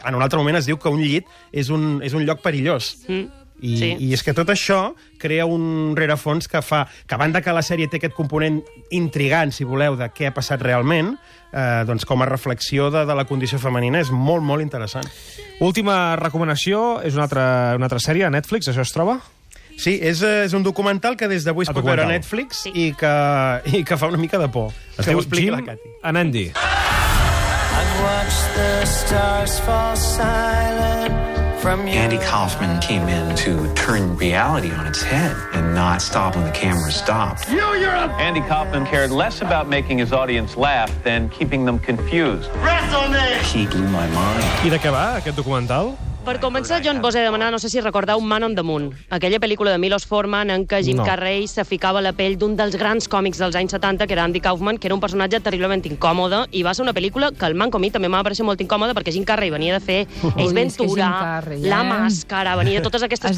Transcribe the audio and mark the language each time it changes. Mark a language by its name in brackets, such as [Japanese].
[Catalan] En un altre moment es diu que un llit és un lloc perillós. I és que tot això crea un rerefons que fa que, a banda que la sèrie té aquest component intrigant, si voleu, de què ha passat realment, doncs com a reflexió de la condició femenina és molt, molt interessant. Última recomanació, és una altra sèrie a Netflix, això es troba? Sí, és un documental que des d'avui es pot veure a Netflix i que fa una mica de por. Es diu Jim and Andy. [English] I've watched the stars fall silent. from you. Andy Kaufman came in to turn reality on its head and not stop when the camera stopped. You, Europe! Andy Kaufman cared less about making his audience laugh than keeping them confused. He blew my mind. [Catalan] I de què va aquest documental? Per començar, jo em vos he de demanar, no sé si recordeu, Man on the Moon, aquella pel·lícula de Milos Forman en què Jim Carrey se ficava a la pell d'un dels grans còmics dels anys 70, que era Andy Kaufman, que era un personatge terriblement incòmode, i va ser una pel·lícula que el Manco a mi també m'ha apareixut molt incòmode, perquè Jim Carrey venia de fer Ace Ventura, La Màscara, venia de totes aquestes